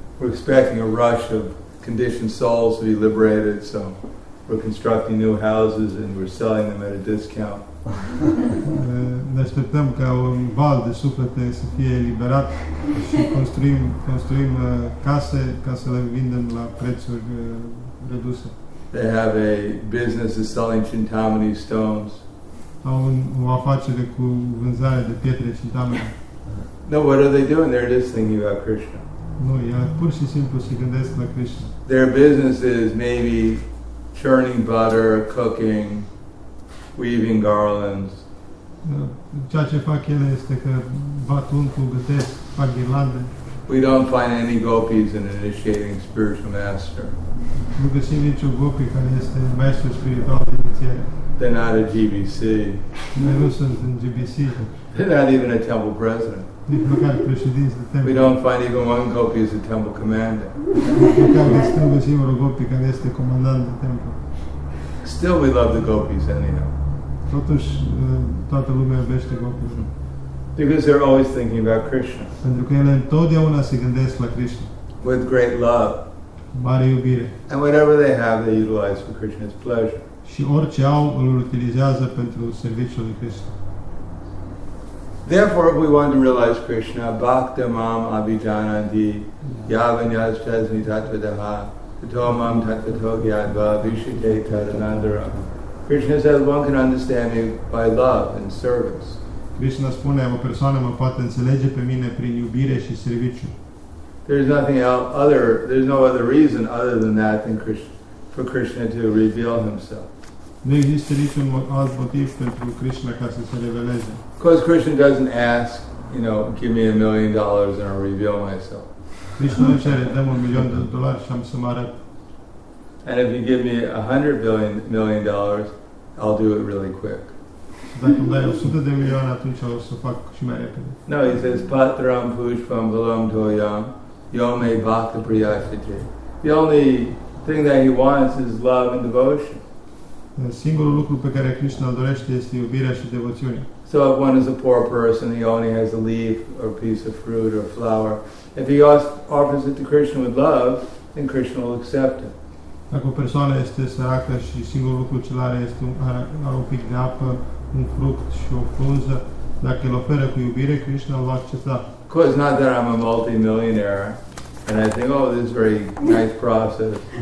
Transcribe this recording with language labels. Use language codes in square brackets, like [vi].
[en] We're expecting a rush of conditioned souls to be liberated, so we're constructing new houses and we're selling them at a discount. [ro] Ne așteptăm ca un val de suflete să fie eliberat și construim case ca să le vindem la prețuri reduse. [en] They have a business of selling Chintamani stones. [ro] Au o afacere cu vânzare de pietre Chintamani. [en] No, what are they doing? They're just thinking about Krishna. [ro] Nu, ei pur și simplu se gândesc la Krishna. [en] Their business is maybe churning butter, cooking, weaving garlands. [ro] Ceea ce fac ele este că bat untul, gătesc, fac ghirlande. [en] We don't find any gopis in initiating spiritual master. [ro] Nu găsim niciun gopi care este maestru spiritual de inițiere. [en] They're not a GBC. [ro] Nu sunt în GBC. [en] They're not even a temple president. [ro] Nici măcar președinți de temple. [en] We don't find even one gopi as a temple commander. [ro] Nu găsim un gopi care este comandant de temple. [en] Still we love the gopis anyhow. [ro] Totuși, toată lumea iubește gopi. [en] Because they're always thinking about Krishna. [ro] Pentru că ele întotdeauna se gândesc la Krishna. [en] With great love. [ro] Mare iubire. [en] And whatever they have, they utilize for Krishna's pleasure. [ro] Și orice au, îl utilizează pentru serviciul lui Krishna. [en] Therefore, if we want to realize Krishna, [sa] bhakta mam abhijanati yavanyas chasmi tattvadaha tato mam tattvato gyadva vishite tadanandara. [en] Krishna says one can understand me by love and service. [ro] Krishna spune, o persoană mă poate înțelege pe mine prin iubire și serviciu. [en] There's nothing else, there's no other reason other than that than for Krishna to reveal himself. [ro] Nu există niciun alt motiv pentru Krishna ca să se reveleze. [en] Because Krishna doesn't ask, you know, give me $1,000,000 and I'll reveal myself. [ro] Krishna nu cere, dă-mă $1,000,000 și am să mă arăt. [en] And if you give me $100,000,000,000, I'll do it really quick. [ro] Dacă îmi dai 100 de milioane, atunci o să fac și mai repede. [en] No, he says, [sa] patram pushpam valam toyam. Yome bhakta priyashite. [en] The only thing that he wants is love and devotion. [ro] Singurul lucru pe care Krishna îl dorește este iubirea și devoțiunea. [en] So if one is a poor person, he only has a leaf or a piece of fruit or flower. If he offers it to Krishna with love, then Krishna will accept it. [ro] Dacă o persoană este săracă și singurul lucru ce are este are un pic de apă, un fruct și o frunză, dacă îl oferă cu iubire, Krishna îl va accepta. [en] Because not that I'm a multi-millionaire, and I think, oh, this is a very nice process.